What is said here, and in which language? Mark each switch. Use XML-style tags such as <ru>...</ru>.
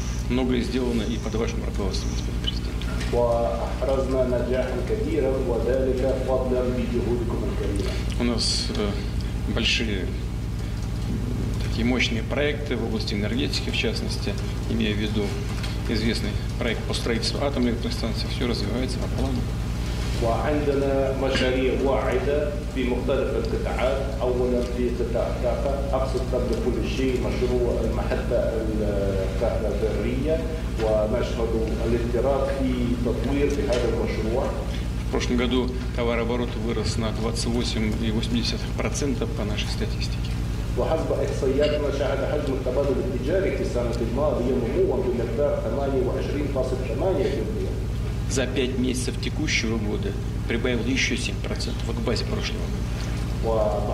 <ru>Многое сделано и под вашим руководством, господин президент. У нас большие такие мощные проекты в области энергетики, в частности, имея в виду известный проект по строительству атомной электростанции, все развивается по плану.</ru> <ar>وعندنا مشاريع واعدة في مختلف القطاعات. أولا في قطاع الطاقة، أقصد قبل كل شيء مشروع المحطة الكهربائية، ونشهد الاعتراف في تطوير في هذا المشروع.</ar> <ru>В прошлом году товарооборот вырос на 28.8% по нашей статистике.</ru> <ar>وحسب إحصائياتنا شهد حجم التبادل التجاري في السنة الماضية نمو بمقدار 28.8%.</ar> <ru>За 5 месяцев текущего года прибавил еще 7% к базе прошлого</ru>